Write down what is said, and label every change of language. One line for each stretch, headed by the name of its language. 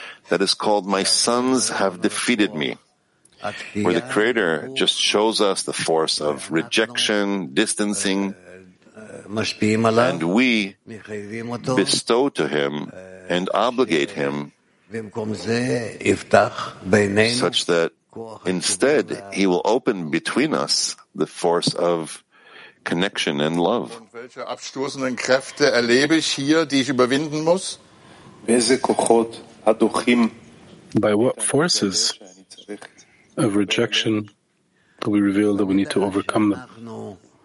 English: That is called, My Sons Have Defeated Me. Where the Creator just shows us the force of rejection, distancing, and we bestow to him and obligate him such that instead he will open between us the force of connection and love.
German: Welche abstoßenden Kräfte erlebe ich hier, die ich überwinden muss?
English: By what forces of rejection do we reveal that we need to overcome them?